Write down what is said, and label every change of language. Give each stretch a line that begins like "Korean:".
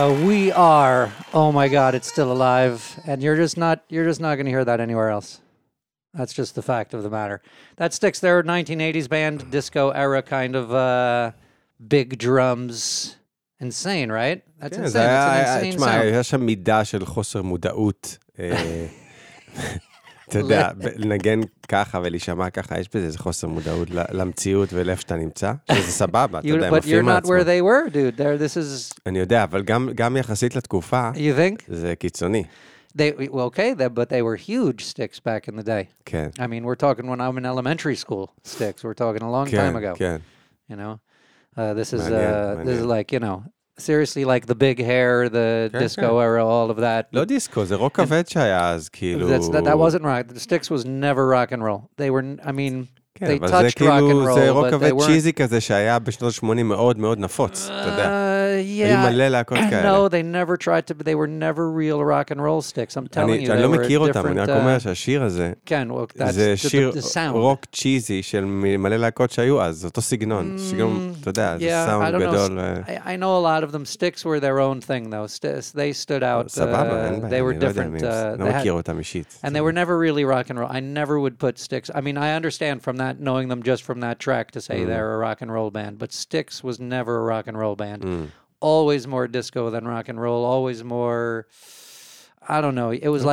English: We are. Oh my God, it's still alive, and you're just not going to hear that anywhere else. That's just the fact of the matter. That sticks there. 1980s band, disco era kind of big drums. Insane, right? That's
Hebrew: כן,
English: insane.
Hebrew: תשמע, היה שם מידה של חוסר מודעות. אתה יודע, לנגן ככה ולשמע ככה, יש בזה איזה חוסר מודעות למציאות ולאיפה שאתה נמצא, שזה סבבה, אתה יודע, מפיר מעצמם.
English: But you're not where they were, dude.
Hebrew: אני יודע, אבל גם יחסית לתקופה, זה קיצוני.
English: Okay, but they were huge sticks back in the day.
Hebrew: כן.
English: I mean, we're talking when I'm in elementary school sticks. We're talking a long time ago.
Hebrew: כן, כן.
English: You know? This is like, you know, seriously, like the big hair, the disco era, all of that.
Hebrew: לא דיסקו, זה רוק כבד שהיה אז, כאילו.
English: That wasn't rock. The Styx was never rock and roll. They were, I mean, they touched rock and roll, but they weren't.
Hebrew: זה רוק כבד צ'יזי כזה שהיה בשנות ה-80 מאוד מאוד נפוץ, אתה יודע.
English: Yeah.
Hebrew: היו מלא להקות כאלה.
English: No, they never tried to, they were never real rock and roll Styx. I'm telling you, they were different.
Hebrew: אני לא מכיר אותם, אני רק אומר שהשיר הזה,
English: כן, well, that's the sound.
Hebrew: זה שיר רוק צ'יזי של מלא להקות שהיו אז, אותו סגנון. סגנון, אתה יודע, זה סאונד גדול.
English: I know a lot of them. Styx were their own thing, though. They stood out.
Hebrew: סבבה, אין בעיה.
English: They were different.
Hebrew: לא מכיר אותם אישית.
English: And they were never really rock and roll. I never would put Styx. I mean, I understand from that, knowing them just from that track, to say they're a rock and roll band. But Styx was never a rock and roll band. Always more disco than rock and roll, always more, I don't know, it was okay.